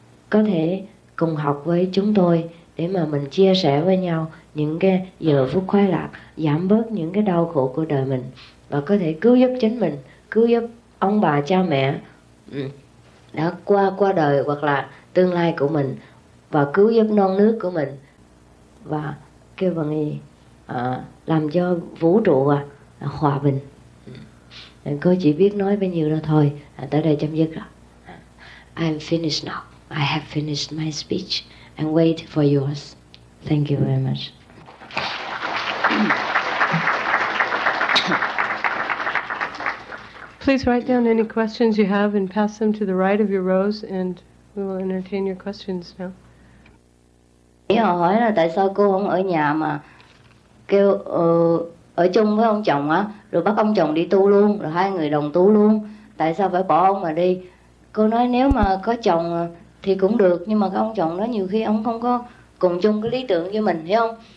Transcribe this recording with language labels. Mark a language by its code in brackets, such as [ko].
[vi] có thể cùng học với chúng tôi để mà mình chia sẻ với nhau những cái giờ phút khoái lạc, giảm bớt những cái đau khổ của đời mình, và có thể cứu giúp chính mình, cứu giúp ông bà cha mẹ đã qua đời, hoặc là tương lai của mình, và cứu giúp non nước của mình, và kêu bằng gì làm cho vũ trụ hòa bình. Cô chỉ biết nói bao nhiêu đó thôi, tới đây chấm dứt rồi. [en] I'm finished now. I have finished my speech and wait for yours. Thank you very much. Please write down any questions you have and pass them to the right of your rows, and we will entertain your questions now. Yeah. [vi] Thì họ hỏi là tại sao cô không ở nhà mà kêu ở chung với ông chồng á, rồi bắt ông chồng đi tu luôn, rồi hai người đồng tu luôn, tại sao phải bỏ ông mà đi? Cô nói nếu mà có chồng thì cũng được, nhưng mà cái ông chồng đó nhiều khi ông không có cùng chung cái lý tưởng với mình, hiểu không?